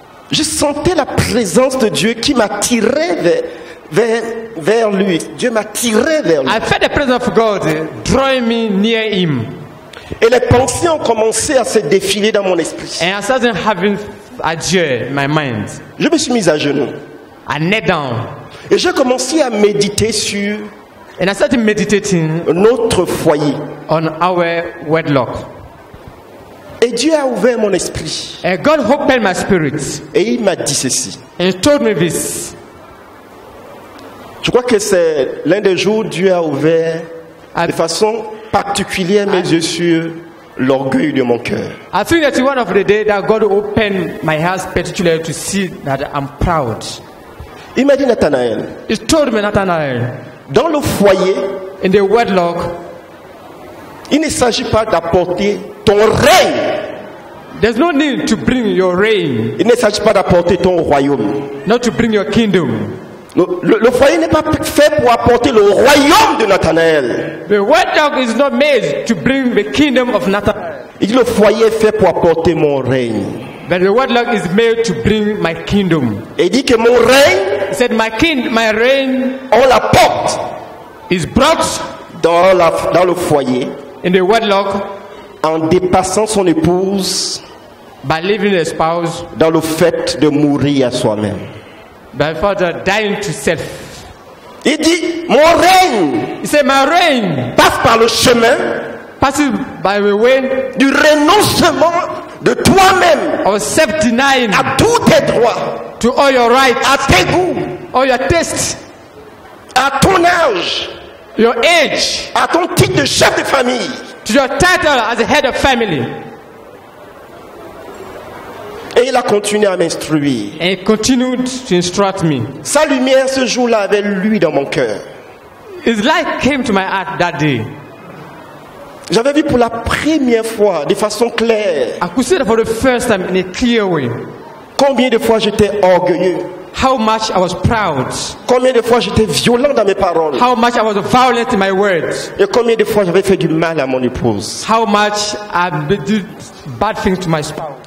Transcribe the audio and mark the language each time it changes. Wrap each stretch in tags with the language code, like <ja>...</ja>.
<fr>Je sentais la présence de Dieu qui m'attirait vers lui. Dieu m'a tiré vers lui.</fr> <en>I felt the presence of God drawing me near him.</en> <fr>Et les pensées ont commencé à se défiler dans mon esprit.</fr> <en>And I started having ideas in my mind.</en> <fr>Je me suis mis à genoux.</fr> <en>I knelt down.</en> <fr>Et j'ai commencé à méditer sur</fr> <en>And I started meditating</en> <fr>notre foyer.</fr> <en>On our wedlock.</en> <fr>Et Dieu a ouvert mon esprit.</fr> <en>And God opened my spirit.</en> <fr>Et il m'a dit ceci.</fr> <en>And he told me this.</en> <fr>Je crois que c'est l'un des jours où Dieu a ouvert de façon particulière mes yeux sur l'orgueil de mon cœur.</fr> <en>I think that one of the day that God opened my heart particularly to see that I'm proud.</en> <fr>Imagine Nathanael.</fr> <en>He told me Nathanael.</en> <fr>Dans le foyer,</fr> <en>in the wedlock,</en> <fr>il ne s'agit pas d'apporter ton règne.</fr> <en>There's no need to bring your reign.</en> <fr>Il ne s'agit pas d'apporter ton royaume.</fr> <en>Not to bring your kingdom.</en> <fr>Le foyer n'est pas fait pour apporter le royaume de Nathanaël.</fr> <en>The wedlock is not made to bring the kingdom of Nathanaël.</en> <fr>Il dit le foyer est fait pour apporter mon règne.</fr> <en>The wedlock is made to bring my kingdom.</en> <fr>Et dit que mon règne,</fr> <en>he said my reign,</en> <fr>on l'apporte,</fr> <en>is brought</en> <fr>dans le foyer,</fr> <en>in the wedlock,</en> <fr>en dépassant son épouse,</fr> <en>by leaving the spouse,</en> <fr>dans le fait de mourir à soi-même.</fr> <en>My father dying to self.</en> <fr>Il dit, mon règne.</fr> <en>He said, my reign</en> <fr>passe par le chemin.</fr> <en>Passes by the way</en> <fr>du renoncement de toi-même.</fr> <en>Of self-denying.</en> <fr>À tous tes droits.</fr> <en>To all your rights.</en> <fr>À tes goûts.</fr> <en>All your tastes.</en> <fr>À ton âge.</fr> <en>Your age.</en> <fr>À ton titre de chef de famille.</fr> <en>To your title as a head of family.</en> <fr>Et il a continué à m'instruire.</fr> <en>He continued to instruct me.</en> <fr>Sa lumière ce jour-là avait lui dans mon cœur.</fr> <en>His light came to my heart that day.</en> <fr>J'avais vu pour la première fois de façon claire.</fr> <en>I could see for the first time in a clear way.</en> <fr>Combien de fois j'étais orgueilleux.</fr> <en>How much I was proud.</en> <fr>Combien de fois j'étais violent dans mes paroles.</fr> <en>How much I was violent in my words.</en> <fr>Et combien de fois j'avais fait du mal à mon épouse.</fr> <en>How much I did bad things to my spouse.</en>